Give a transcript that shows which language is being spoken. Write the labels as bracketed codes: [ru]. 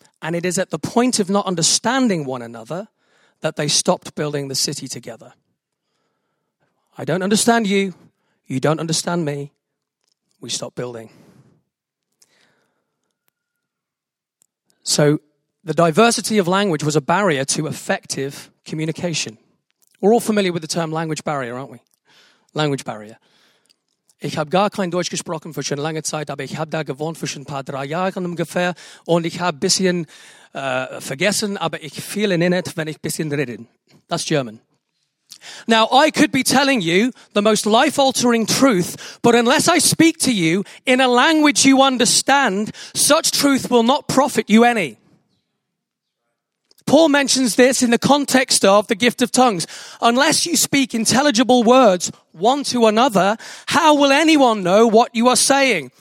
[en] And it is at the point of not understanding one another that they stopped building the city together. I don't understand you. You don't understand me. We stop building. So the diversity of language was a barrier to effective communication. We're all familiar with the term language barrier, aren't we? Language barrier. [de] Ich habe gar kein Deutsch gesprochen für schon lange Zeit, aber ich habe da gewohnt für schon ein paar drei Jahren ungefähr und ich habe ein bisschen vergessen, aber ich fühle [en] in it, [de] wenn ich ein bisschen rede. [en] That's German. Now, I could be telling you the most life-altering truth, but unless I speak to you in a language you understand, such truth will not profit you any. Paul mentions this in the context of the gift of tongues. Unless you speak intelligible words one to another, how will anyone know what you are saying?